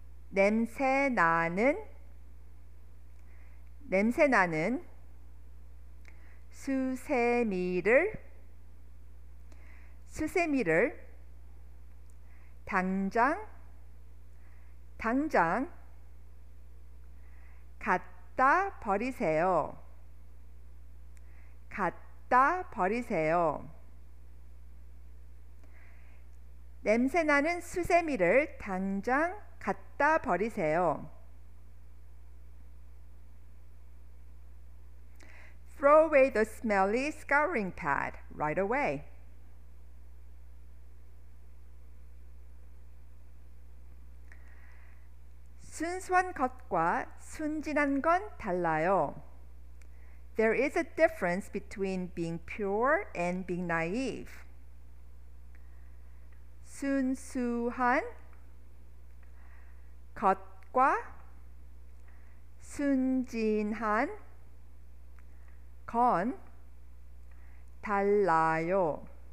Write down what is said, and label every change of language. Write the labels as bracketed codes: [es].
[ko] 냄새 나는, 냄새 나는 수세미를, 수세미를 당장, 당장 갖다 버리세요, 갖다 버리세요. 냄새 나는 수세미를 당장 갖다 버리세요. [en] Throw away the smelly scouring pad right away. [ko] 순수한 것과 순진한 건 달라요. [en] There is a difference between being pure and being naive. [ko] 순수한 겉과 순진한 건 달라요.